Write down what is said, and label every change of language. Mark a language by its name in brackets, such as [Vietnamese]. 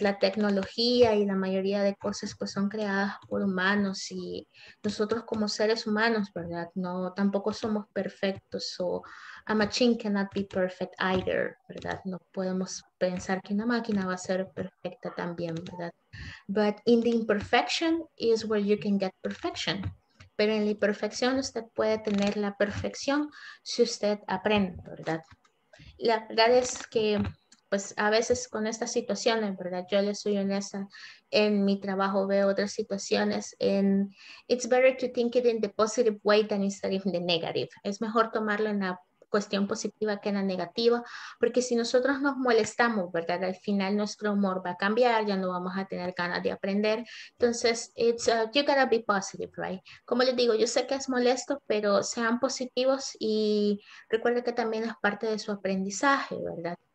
[Spanish] La tecnología y la mayoría de cosas, pues, son creadas por humanos, y nosotros como seres humanos, ¿verdad? No, tampoco somos perfectos. [English] So, a machine cannot be perfect either, ¿verdad? [Spanish] No podemos pensar que una máquina va a ser perfecta también, ¿verdad? [English] But in the imperfection is where you can get perfection. [Spanish] Pero en la imperfección usted puede tener la perfección si usted aprende, ¿verdad? La verdad es que, pues, a veces con estas situaciones, ¿verdad? Yo le soy honesta, en mi trabajo veo otras situaciones. [English] And it's better to think it in the positive way than instead of the negative. [Spanish] Es mejor tomarlo en la cuestión positiva que en la negativa, porque si nosotros nos molestamos, ¿verdad? Al final nuestro humor va a cambiar, ya no vamos a tener ganas de aprender. Entonces, [English] you gotta be positive, right? [Spanish] Como les digo, yo sé que es molesto, pero sean positivos y recuerden que también es parte de su aprendizaje, ¿verdad?